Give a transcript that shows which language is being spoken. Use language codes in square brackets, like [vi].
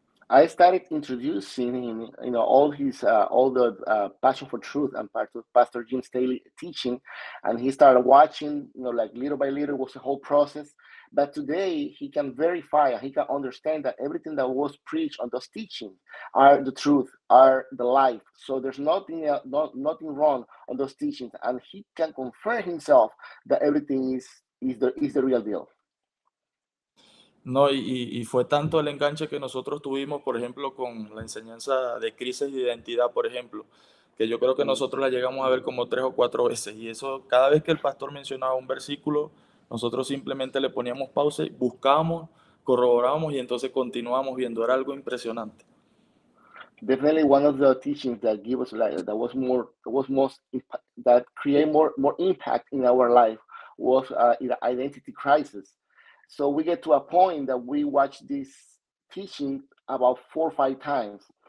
[en] I started introducing him, you know, all his, all the passion for truth and part of Pastor Jim Staley teaching. And he started watching, you know, like little by little was the whole process. But today he can verify, he can understand that everything that was preached on those teachings are the truth, are the life. So there's nothing wrong on those teachings. And he can confirm himself that everything is the real deal. [es] No, y fue tanto el enganche que nosotros tuvimos, por ejemplo, con la enseñanza de crisis de identidad, por ejemplo, que yo creo que nosotros la llegamos a ver como 3 o 4 veces. Y eso, cada vez que el pastor mencionaba un versículo, nosotros simplemente le poníamos pausa, buscábamos, corroborábamos y entonces continuábamos viendo. Era algo impresionante. [en] Definitely one of the teachings that gave us life, that was more, that was most, that create more impact in our life was the identity crisis. So we get to a point that we watch this teaching about 4 or 5 times.